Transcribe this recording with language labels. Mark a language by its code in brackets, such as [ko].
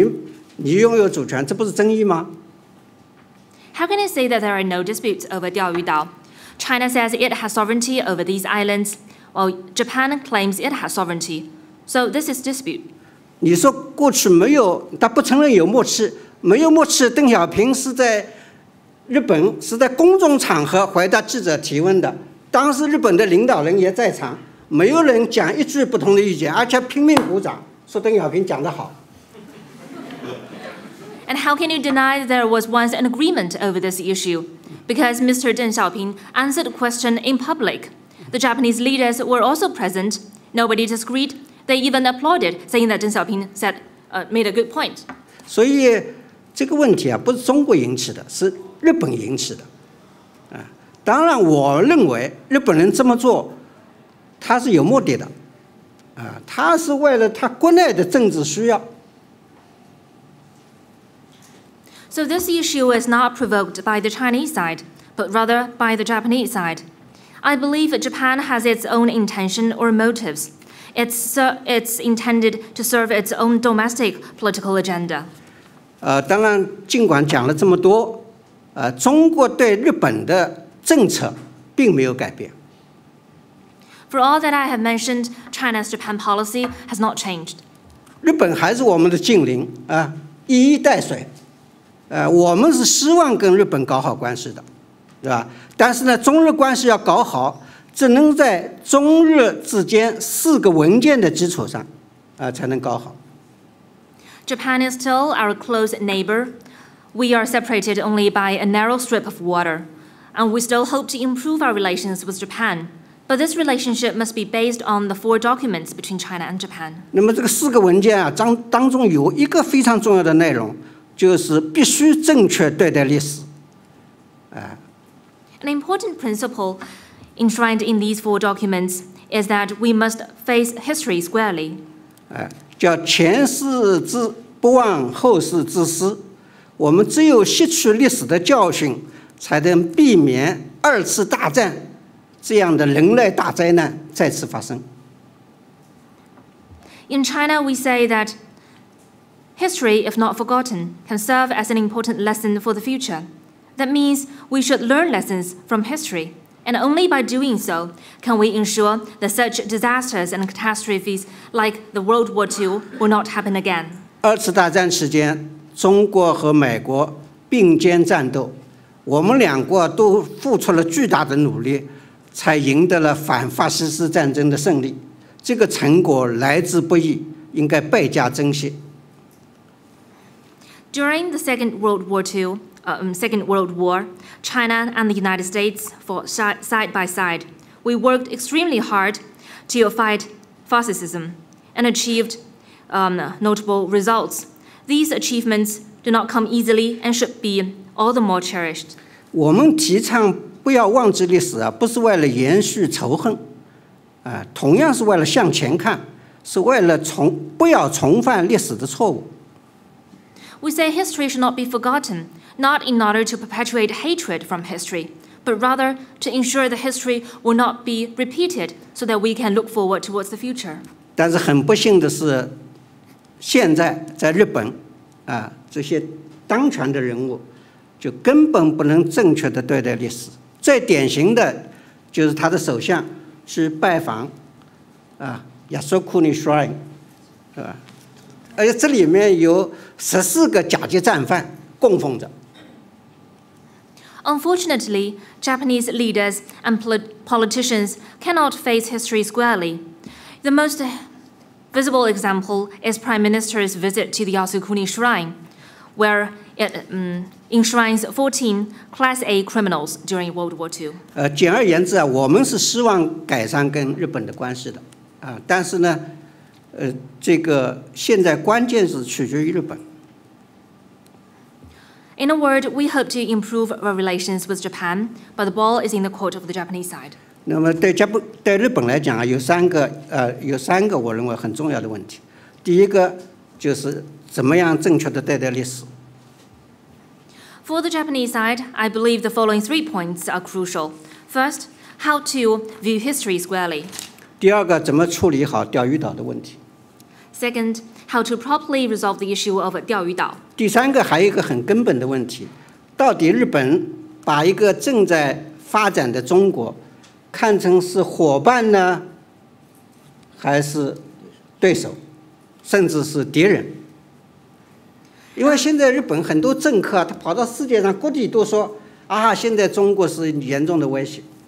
[zh] 钓鱼岛。怎么能说没有争议呢？是不是啊？明明中国拥有主权，你说你拥有主权，这不是争议吗？ [en] How can I say that there are no disputes over 钓鱼岛? China says it has sovereignty over these islands, while Japan claims it has sovereignty. So this is dispute. [zh] 你说过去没有，他不承认有默契，没有默契，邓小平是在。 日本是在公众场合回答记者提问的，当时日本的领导人也在场，没有人讲一句不同的意见，而且拼命鼓掌，说邓小平讲得好。 [en] And how can you deny there was once an agreement over this issue? Because Mr. Deng Xiaoping answered a question in public. The Japanese leaders were also present. Nobody disagreed. They even applauded, saying that Deng Xiaoping said, made a good point. [zh] 所以这个问题啊，不是中国引起的，是日本引起的。当然我认为日本人这么做他是有目的的，他是为了他国内的政治需要。 [en] So this issue is not provoked by the Chinese side, but rather by the Japanese side. I believe Japan has its own intention or motives. It's intended to serve its own domestic political agenda. [zh] 当然，尽管讲了这么多，中国对日本的政策并没有改变。 [en] For all that I have mentioned, China's Japan policy has not changed. [zh] 日本还是我们的近邻，一衣带水。我们是希望跟日本搞好关系的，对吧？但是呢，中日关系要搞好，只能在中日之间四个文件的基础上，才能搞好。 [en] Japan is still our close neighbor. We are separated only by a narrow strip of water, and we still hope to improve our relations with Japan. But this relationship must be based on the four documents between China and Japan. [zh] 那么这个四个文件啊，当中有一个非常重要的内容。就是必须正确对待历史， [en] An important principle enshrined in these four documents is that we must face history squarely. [zh] 叫前世之不忘，后世之师。我们只有吸取历史的教训，才能避免二次大战这样的人类大灾难再次发生。 [en] In China, we say that. History, if not forgotten, can serve as an important lesson for the future. That means we should learn lessons from history, and only by doing so can we ensure that such disasters and catastrophes like the World War II will not happen again. [zh] 二次大战期间，中国和美国并肩战斗，我们两国都付出了巨大的努力，才赢得了反法西斯战争的胜利。这个成果来之不易，应该倍加珍惜。 [en] During the Second World War, China and the United States fought side by side. We worked extremely hard to fight fascism and achieved notable results. These achievements do not come easily and should be all the more cherished. [zh] 我们提倡不要忘记历史啊，不是为了延续仇恨，同样是为了向前看，是为了不要重犯历史的错误。 [en] We say history should not be forgotten, not in order to perpetuate hatred from history, but rather to ensure that history will not be repeated so that we can look forward towards the future. [zh] 但是很不幸的是，现在在日本，这些当权的人物就根本不能正确地对待历史。最典型的就是他的首相去拜访，亚索库尼舒尔，而且这里面有十四个甲级战犯供奉着。 [en] Unfortunately, Japanese leaders and politicians cannot face history squarely. The most visible example is Prime Minister's visit to the Yasukuni Shrine, where it enshrines 14 Class A criminals during World War II. [zh] 简而言之啊，我们是希望改善跟日本的关系的，但是呢。这个现在关键是取决于日本。 [en] In a word, we hope to improve our relations with Japan, but the ball is in the court of the Japanese side. [zh] 那么对日本来讲啊，有三个我认为很重要的问题。第一个就是怎么样正确的对待历史。 [en] For the Japanese side, I believe the following three points are crucial. First, how to view history squarely. [zh] 第二个怎么处理好钓鱼岛的问题。 [en] Second, how to properly resolve the issue of 钓鱼岛。 [zh] 第三个还有一个很根本的问题，到底日本把一个正在发展的中国看成是伙伴呢，还是对手，甚至是敌人？因为现在日本很多政客，他跑到世界上各地都说，现在中国是严重的威胁。